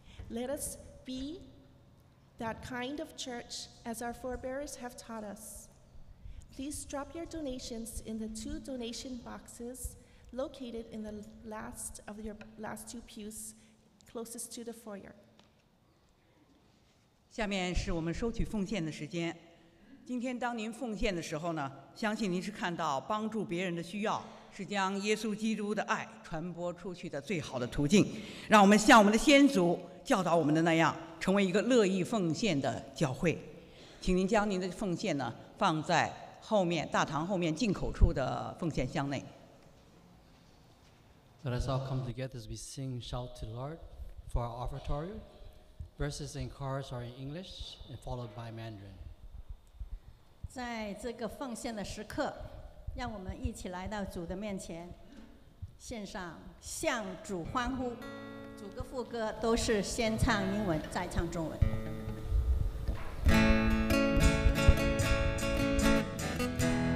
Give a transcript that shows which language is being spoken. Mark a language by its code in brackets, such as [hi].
[en] Let us be that kind of church as our forebears have taught us. Please drop your donations in the two donation boxes located in the last of your last two pews closest to the foyer. [zh] 下面是我们收取奉献的时间。今天当您奉献的时候呢，相信您是看到帮助别人的需要是将耶稣基督的爱传播出去的最好的途径。让我们像我们的先祖教导我们的那样，成为一个乐意奉献的教会。请您将您的奉献呢放在后面大堂后面进口处的奉献箱内。 [en] Let us all come together as we sing Shout to the Lord for our offertory. Verses and chorus are in English and followed by Mandarin. [zh] 在这个奉献的时刻，让我们一起来到主的面前，献上向主欢呼。主歌副歌都是先唱英文，再唱中文。